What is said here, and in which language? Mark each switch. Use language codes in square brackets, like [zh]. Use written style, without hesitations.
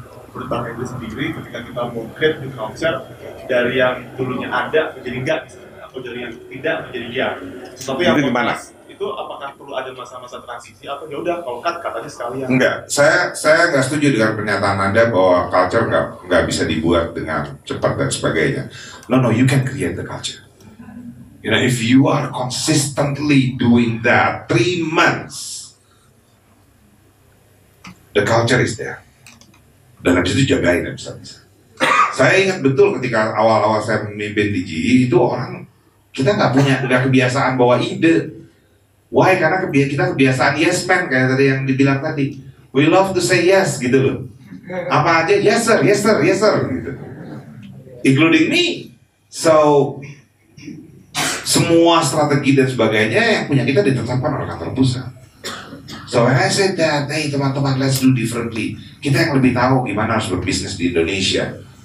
[id] Menurut bang Andrew sendiri, ketika kita mau [en] create new culture [id] dari yang dulunya ada menjadi enggak, atau dari yang tidak menjadi ya. Tapi yang gimana? Itu apakah perlu ada masa-masa transisi atau ya udah kalau cut katanya sekalian? Enggak, saya nggak setuju dengan pernyataan Anda bahwa culture nggak bisa dibuat dengan cepat dan sebagainya. [en] No, you can create the culture. You know, if you are consistently doing that 3 months, the culture is there. [id] Dan habis itu jagain ya bisa-bisa. Saya ingat betul ketika awal-awal saya memimpin di GE itu orang kita nggak kebiasaan bawa ide. Why? Karena kita kebiasaan yes man, kayak tadi yang dibilang tadi. [en] We love to say yes, [id] gitu loh. Apa aja, [en] yes sir, gitu. Including me. [id] So, semua strategi dan sebagainya yang punya kita ditetapkan oleh kantor pusat. [en] So, when I said that, hey [id] teman-teman, [en] let's do differently. [id] Kita yang lebih tahu gimana harus berbisnis di Indonesia.